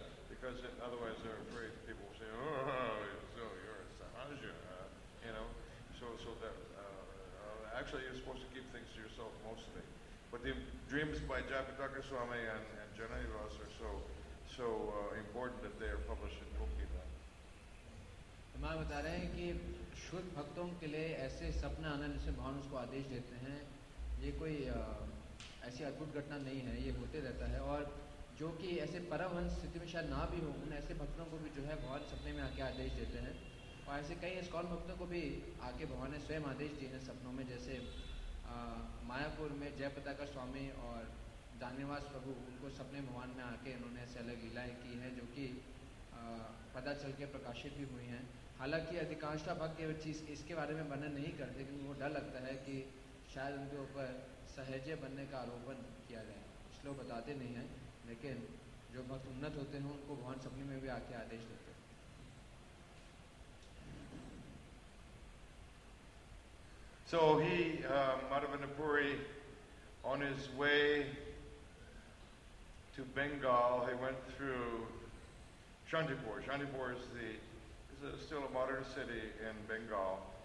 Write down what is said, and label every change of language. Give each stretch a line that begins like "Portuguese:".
English: Because otherwise they're afraid. People say, oh, so you're a sahaja, you know. So that actually you're supposed to keep things to yourself mostly. But the dreams by Japataka Swami and Janani Ras are so important that they are published in Gopita.
Hindi: माँ बता रहे हैं कि शुद्ध भक्तों के लिए ऐसे सपने आने जिसमें भगवान उसको आदेश देते हैं, ये कोई ऐसी अद्भुत घटना नहीं है, ये होते रहता है। और जो कि ऐसे परमहंस स्थिति में शायद ना भी हो, उन ऐसे भक्तों को भी जो है भगवान सपने में आके आदेश देते हैं। और ऐसे कई इस्कॉन भक्तों को भी आके भगवान ने स्वयं आदेश दिए हैं सपनों में, जैसे मायापुर में जयपताका स्वामी और जानेवास प्रभु, उनको सपने भगवान में आके उन्होंने ऐसे अलग लीलाएँ की हैं जो कि पता चल के प्रकाशित भी हुई हैं। हालांकि अधिकांशता भक्त यह चीज इसके बारे में वर्णन नहीं करते, क्योंकि वो डर लगता है कि शायद उनके ऊपर सहजे बनने का आरोपण किया जाए, इसलिए बताते नहीं हैं। लेकिन जो भक्त उन्नत होते हैं उनको भगवान सपने में भी आके आदेश देते हैं।
English: So he, Madhavendra Puri, on his way to to Bengal. He went through Chandipur. Chandipur is the still a modern city in Bengal.